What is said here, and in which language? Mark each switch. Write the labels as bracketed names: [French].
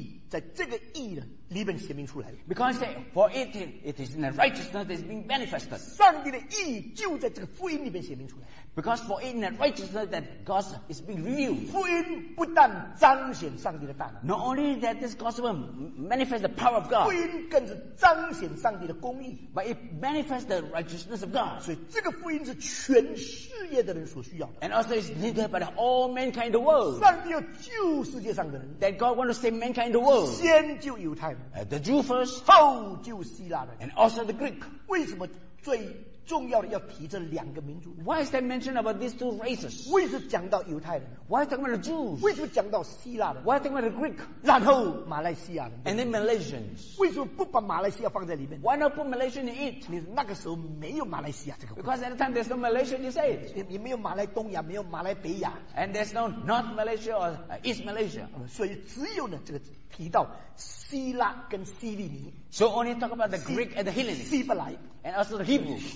[Chinese] 保罗是因为上帝的福音就在义在这个义里面显明出来, [English] because for it, it is in the righteousness that is being manifested. [Chinese] 上帝的义就在这个福音里面显明出来, [English] because for it in the righteousness that God is being revealed. [Chinese] 福音不但彰显上帝的大能, [English] not only that this gospel manifests the power of God, [Chinese] 福音更是彰显上帝的公义, [English] but it manifests the righteousness of God. [Chinese] 所以这个福音是全世界的人所需要的, [English] and also it's needed by all mankind in the world. [Chinese] 上帝要救世界上的人, [English] that God wants to save mankind in the world. [Chinese] 先救犹太人, [English] the Jew first, [Chinese] 后救希腊人, [English] and also the Greek. [Chinese] 为什么最 重要的要提这两个民族, [English] why is that mentioned about these two races? [Chinese] 为什么讲到犹太人? [English] Why talking about the Jews? [Chinese] 为什么讲到希腊人? [English] Why talking about the Greek? [Chinese] 然后马来西亚人, [English] and then Malaysians. [Chinese] 为什么不把马来西亚放在里面? [English] Why not put Malaysia in it? [Chinese] 你那个时候没有马来西亚这个国家, [English] because at the time there's no Malaysia, you say it. [Chinese] 也没有马来东亚, 没有马来北亚, [English] and there's no North Malaysia or East Malaysia. [Chinese] 所以只有呢这个提到希腊跟希利尼, [English] so only talk about the Greek and the Hellenists, and also the Hebrews,